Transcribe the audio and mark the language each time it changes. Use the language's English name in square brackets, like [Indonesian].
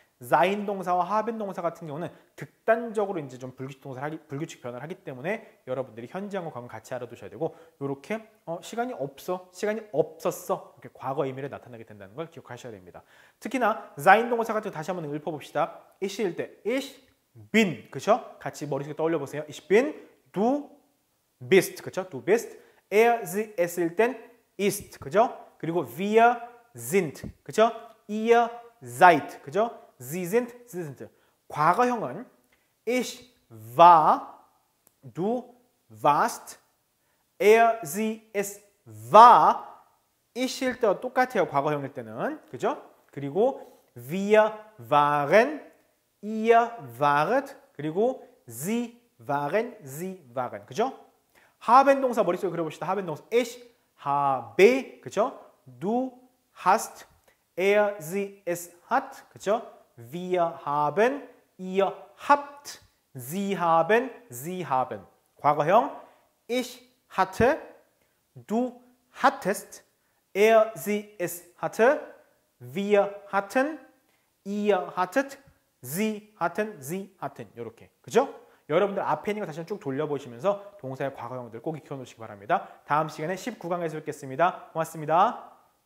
[Korean] 사인 동사와 하변 동사 같은 경우는 극단적으로 이제 좀 불규칙 동사를 하기, 불규칙 변화를 하기 때문에 여러분들이 현지형과 과거 같이 알아두셔야 되고, 이렇게 시간이 없어, 시간이 없었어, 이렇게 과거 의미를 나타내게 된다는 걸 기억하셔야 됩니다. 특히나 사인 동사 같은 다시 한번 읊어봅시다. Ich일 때 Ich bin, 그쵸? 같이 머릿속에 떠올려 보세요. [German] Ich bin du bist, 그쵸? Du bist. Er, sie, es일 땐 ist, 그죠? 그리고 wir sind, 그죠? Ihr seid, 그죠? Sie sind, sie sind. 과거형은 Ich war, du warst, er, sie, es war. [Korean] Ich일 때와 똑같아요, 과거형일 때는. 그죠? [German] 그리고 wir waren, ihr waret, 그리고 sie waren, sie waren. [Korean] 그죠? 하변 동사 머릿속에 그려봅시다. 하변 동사 Ich habe, 그죠? [German] Du hast, er, sie, es hat, 그죠? Wir haben, ihr habt, sie haben, sie haben. 과거형 Ich hatte, du hattest, er, sie, es hatte, wir hatten, ihr hattet, sie hatten, sie hatten. [Korean] 이렇게, 그죠? 여러분들 앞에 있는 거 다시 쭉 돌려보시면서 동사의 과거형들 꼭 익혀놓으시기 바랍니다. 다음 시간에 19강에서 뵙겠습니다. 고맙습니다.